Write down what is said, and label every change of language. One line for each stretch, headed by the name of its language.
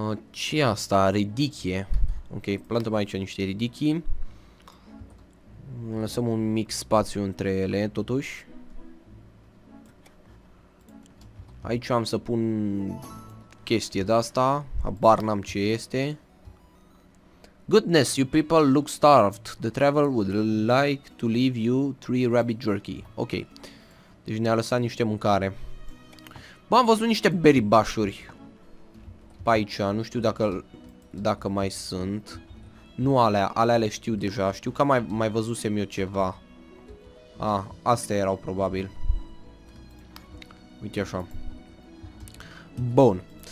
Romanian: ce asta? Ridichie. Ok, plantăm aici niște ridichii. Lăsăm un mic spațiu între ele, totuși. Aici am să pun chestie de asta. Habar n-am ce este.
English: Goodness, you people look starved. The traveler would like to leave you 3 rabbit jerky. Ok.
Romanian: Deci ne-a lăsat niște mâncare. Bă, am văzut niște beribașuri aici, nu știu dacă mai sunt. Nu alea le știu deja. Știu că mai văzusem eu ceva. Astea erau probabil. Uite așa. Bun.